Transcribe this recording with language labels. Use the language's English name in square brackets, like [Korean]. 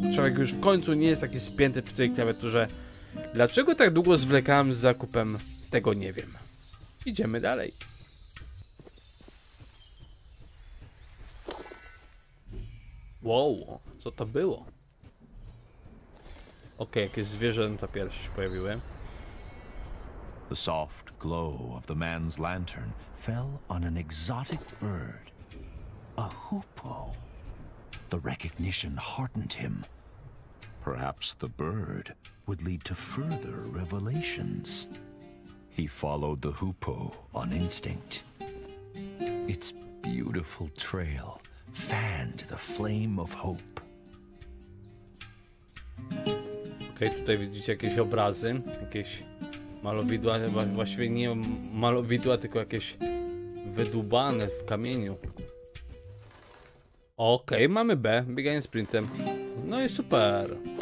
[Polish] Człowiek już w końcu nie jest taki spięty przy tej klawiaturze. Dlaczego tak długo zwlekałem z zakupem, tego nie wiem. Idziemy dalej. Wow, co to było? Okej, jakieś zwierzęta pierwsze się pojawiły. [English] The soft glow of the man's lantern fell on an exotic bird. A hoopoe. The recognition hardened him. Perhaps the bird would lead to further revelations. He followed the hoopoe on instinct. Its beautiful trail fanned the flame of hope. [Polish] Okej, tutaj widzicie jakieś obrazy, jakieś malowidła, właściwie nie malowidła, tylko jakieś wydłubane w kamieniu. Okej, mamy B, bieganie sprintem. No i super.